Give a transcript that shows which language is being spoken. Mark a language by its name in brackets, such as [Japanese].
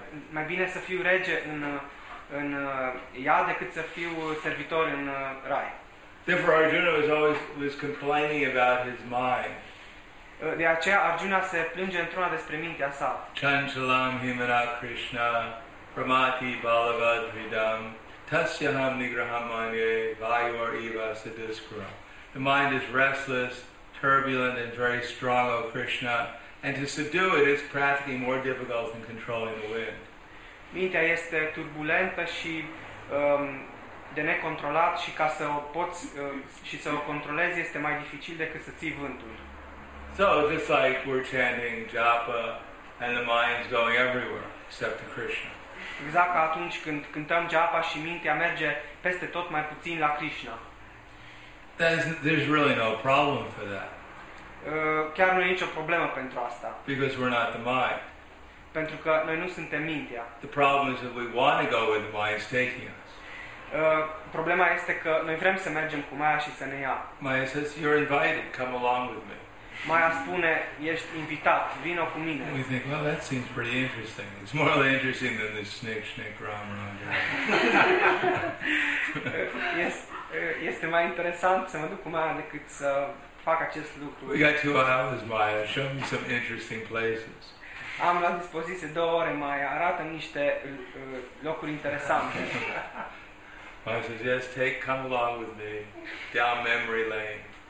[Romanian] Mai bine să fiu rege în iad decât să fiu servitor în rai. [English] Therefore Arjuna was always complaining about his mind. [Romanian] De aceea Arjuna se plânge într-una despre mintea sa. [Sanskrit] Chanchalam himana Krishna pramati balavad vidam tasyaham nigraham manye vayor eva sadiskura. [English] The mind is restless, turbulent, and very strong, O Krishna. And to subdue it is practically more difficult than controlling the wind. [Romanian] Mintea este turbulentă și de necontrolat și ca să o poți și să o controlezi este mai dificil decât să ții vântul. [English] So just like we're chanting japa and the mind's going everywhere except to Krishna. [Romanian] Exact ca atunci când cântăm japa și mintea merge peste tot mai puțin la Krishna. [English] There's really no problem for that. [Romanian] Chiar nu e nicio problemă pentru asta. [English] Because we're not the mind. [Romanian] Pentru că noi nu suntem mintea. [English] The problem is that we want to go where the mind is taking us. [Romanian] Problema este că noi vrem să mergem cu Maya și să ne ia. [English] Maya says, you're invited, come along with me. [Romanian] Maya spune, ești invitat, vino cu mine. [English] We think, well, that seems pretty interesting. It's more interesting than this snake, snake, ram, ram. Yes. [Romanian] Este mai interesant să mă duc cu Maya decât să fac acest lucru. [English] We got 2 hours, Maya. Show me some interesting places. [Romanian] Am la dispoziție 2 ore, mai arată niște locuri interesante. [English] Maya says, yes, take, come along with me down memory lane.